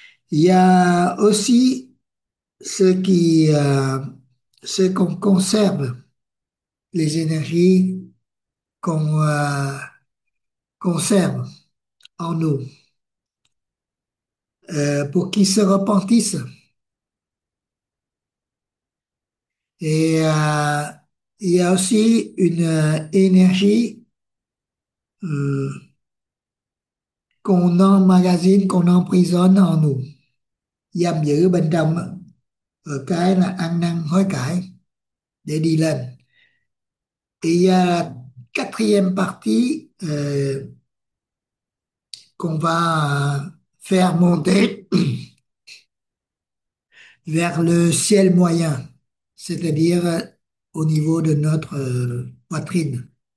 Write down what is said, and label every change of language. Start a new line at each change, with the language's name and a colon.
French: Il y a aussi ce qu'on conserve, les énergies qu'on conserve en nous, pour qu'ils se repentissent. Et il y a aussi une énergie qu'on emmagasine, qu'on emprisonne en nous.
Vietnamese: Giam giữ bên trong. Ở cái là ăn năn hối cải để đi lên.
French: Et il y a quatrième partie qu'on va faire monter vers le ciel moyen, c'est-à-dire au niveau de notre poitrine.